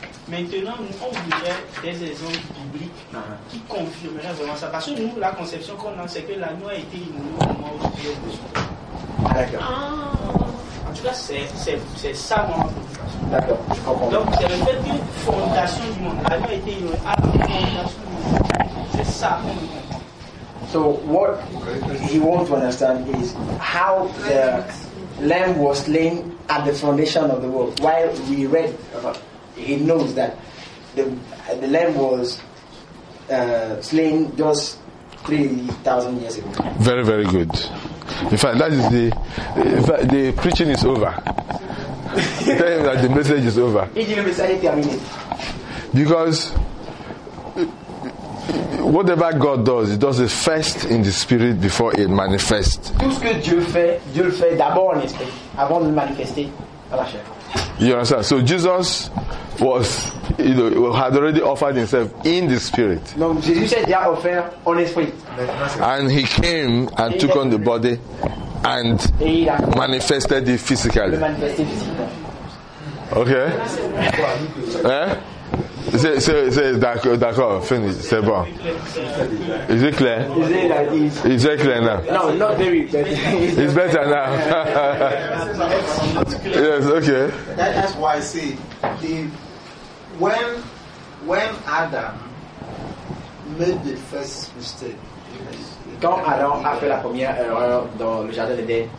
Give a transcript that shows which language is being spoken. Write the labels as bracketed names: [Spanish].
[French] Maintenant, nous, on voudrait des exemples bibliques qui confirmeraient vraiment ça. Parce que nous, la conception qu'on a, c'est que l'agneau a été immolé au moment où il y a eu besoin. D'accord. En tout cas, c'est ça mon préoccupation. D'accord, je comprends. Donc, c'est le fait que la fondation du monde, l'agneau a été immolé avant la fondation du monde. [English] So what he wants to understand is how the lamb was slain at the foundation of the world. While we read, he knows that the lamb was slain just 3,000 years ago. Very, very good. In fact, that is the preaching is over. Tell him that the message is over. He didn't miss anything, I mean it. Because whatever God does, He does it first in the spirit before it manifests. [French] Tout ce que Dieu fait d'abord en esprit, avant de le manifester à la chair. [English] You understand? So Jesus was, you know, had already offered Himself in the spirit. [French] Donc Jésus s'est déjà offert en esprit. [English] And He came and et took on the body and manifested it physically. [French] Le manifester physiquement. [English] Okay. Eh? Say [French] d'accord, d'accord, [English] finish, [French] c'est bon. [English] Is it clear? Is it clear now? No, not very better. It's better now. Yes, okay. That's why I say when Adam made the first mistake. [French] Quand Adam a fait la première erreur dans le jardin d'Eden,